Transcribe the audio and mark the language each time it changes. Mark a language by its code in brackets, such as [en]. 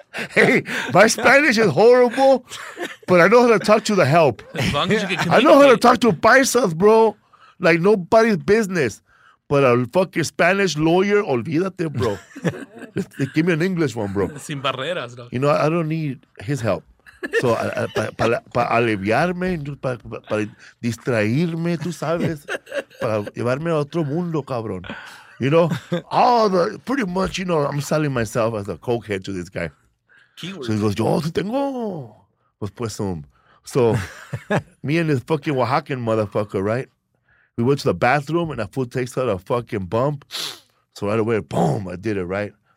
[en] Hey, my Spanish is horrible, but I know how to talk to the help. As long as you can communicate. I know how to talk to paisas, bro. Like nobody's business. But a fucking Spanish lawyer, [es] olvídate, [en] bro. Give me an English one, bro. [es] Sin barreras, dog. [en] You know, I don't need his help. [es] So, para aliviarme, para distraerme, tú sabes, para llevarme a otro mundo, cabrón. [en] You know, pretty much, you know, I'm selling myself as a cokehead to this guy. Keywords. So he goes, [es] yo, si tengo. Pues un. [en] So me and this fucking Oaxacan motherfucker, right? We went to the bathroom and that fool takes out a fucking bump. So right away, boom, I did it, right?